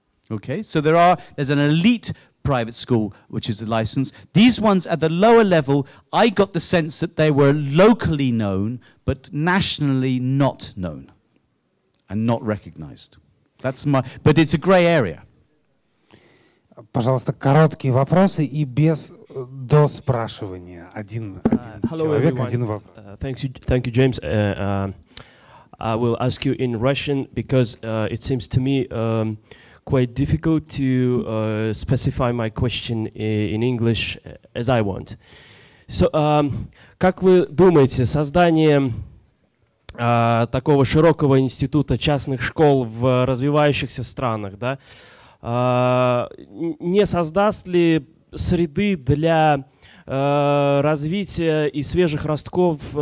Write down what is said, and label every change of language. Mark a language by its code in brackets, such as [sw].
[en] Okay, so there's an elite private school which is a license. These ones at the lower level, I got the sense that they were locally known, but nationally not known and not recognized. But it's a gray area. [ru] Пожалуйста, короткие вопросы и без доспрашивания. Один человек, один вопрос. [en] Thank you, James. I will ask you in Russian because it seems to me quite difficult to specify my question in English as I want. [ru] So, как вы думаете, создание такого широкого института частных школ в развивающихся странах, да, не создаст ли среды для развития и свежих ростков